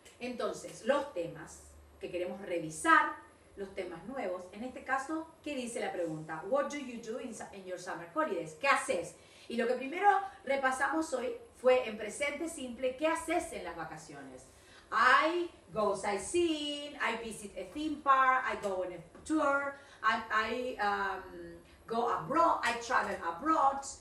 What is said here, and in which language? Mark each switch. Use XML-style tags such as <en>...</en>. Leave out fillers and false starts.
<es>Entonces, los temas que queremos revisar, los temas nuevos. En este caso, ¿qué dice la pregunta?</es> <en>What do you do in your summer holidays?</en> <es>¿Qué haces? Y lo que primero repasamos hoy fue en presente simple, ¿qué haces en las vacaciones?</es> <en>I go sightseeing, I visit a theme park, I go on a tour, I go abroad, I travel abroad.</en>